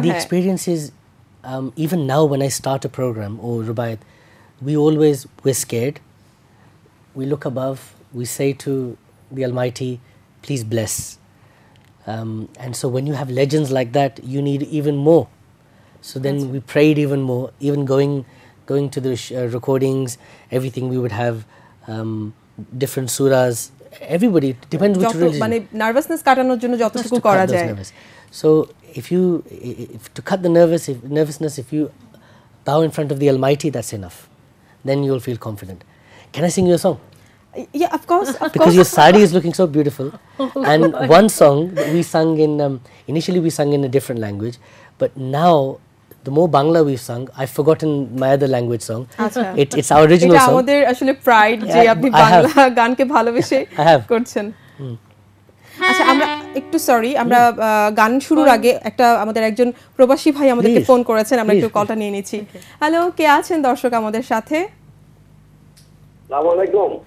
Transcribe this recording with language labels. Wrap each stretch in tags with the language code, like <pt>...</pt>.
<en>the experience is even now when I start a programme of Rubayat, we always we scared, we look above, we say to the Almighty please bless, and so when you have legends like that you need even more, so then we prayed even more, even going to the recordings, everything, we would have different surahs, everybody depends which religion,</en> <bn>মানে nervousness কাটানোর জন্য যতটুকু করা যায়।</bn> <en>So if to cut the nervousness, if you bow in front of the Almighty, that's enough, then you'll feel confident. Can I sing you a song? Yeah, of course, of because your sari is looking so beautiful. And one song we sang in initially we sang in a different language, but now the more Bangla we've sung, I've forgotten my other language song. It's our original song.</en> <bn>আমাদের আসলে pride যে আপনি বাংলা গানকে ভালোবেসে করছেন। আচ্ছা আমরা একটু সরি, আমরা গান শুরুর আগে একটা আমাদের একজন প্রবাসী ভাই আমাদেরকে ফোন করেছেন, আমরা একটু কলটা নিয়ে নিচ্ছি। হ্যালো, কে আছেন দর্শক আমাদের সাথে? আসসালামু আলাইকুম।</bn>